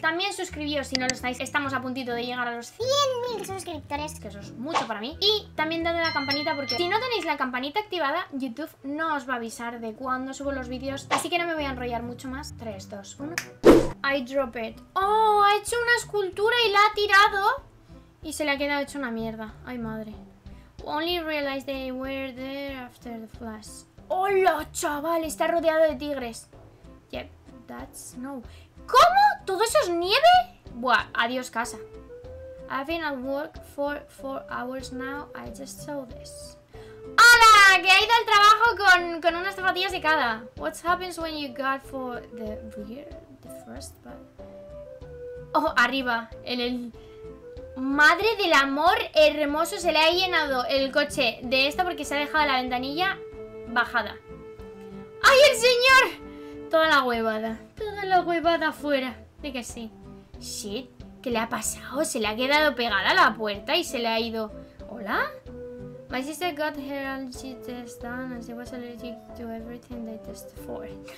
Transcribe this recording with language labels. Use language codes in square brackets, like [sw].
[es] También suscribíos si no lo estáis. Estamos a puntito de llegar a los 100.000 suscriptores, que eso es mucho para mí. Y también dadle a la campanita porque si no tenéis la campanita activada, YouTube no os va a avisar de cuándo subo los vídeos. Así que no me voy a enrollar mucho más. 3, 2, 1. [en] I drop it. [es] Oh, ha hecho una escultura y la ha tirado. Y se le ha quedado hecho una mierda. Ay, madre. [en] Only realized they were there after the flash. [es] Hola, chaval. Está rodeado de tigres. [en] Yep, that's no. [es] ¿Cómo? ¿Todo eso es nieve? Buah, adiós casa. [en] I've been at work for 4 hours now. I just saw this. [es] ¡Hola! Que ha ido al trabajo con unas zapatillas secada. [en] What happens when you got for the rear, the first part? [es] Oh, arriba, en el... Madre del amor hermoso, se le ha llenado el coche de esto porque se ha dejado la ventanilla bajada. ¡Ay, el señor! Toda la huevada afuera, de que sí. Shit, ¿qué le ha pasado? Se le ha quedado pegada a la puerta y se le ha ido... ¿Hola? [en] My sister got her allergy test done and she was allergic to everything they tested for.